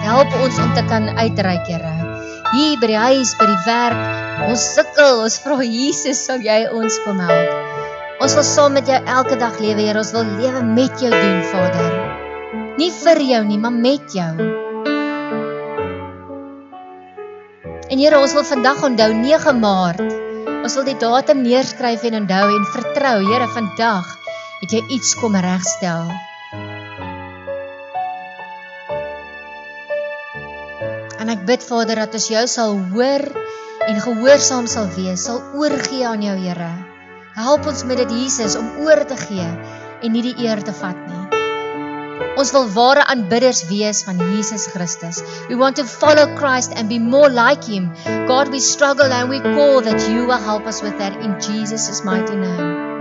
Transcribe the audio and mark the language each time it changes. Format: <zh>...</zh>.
<af>Help ons om te kan uitreik, Here. Hier by die huis, by die werk, ons sukkel. Ons vra Jesus, sal Jy ons kom help? Ons wil saam met Jou elke dag lewe, Here. Ons wil lewe met Jou doen, Vader. Nie vir Jou nie, maar met Jou. En Here, ons wil vandag onthou 9 Maart. Ons wil die datum neerskryf en onthou en vertrou, Here, vandag het Jy iets kom regstel. En ek bid, Vader, dat ons Jou sal hoor en gehoorsaam sal wees, sal oorgee aan Jou, Here. Help ons met dit, Jesus, om oor te gee en nie die eer te vat nie. Ons wil ware aanbidders wees van Jesus Christus.</af> <en>We want to follow Christ and be more like Him. God, we struggle and we call that You will help us with that in Jesus' mighty name.</en>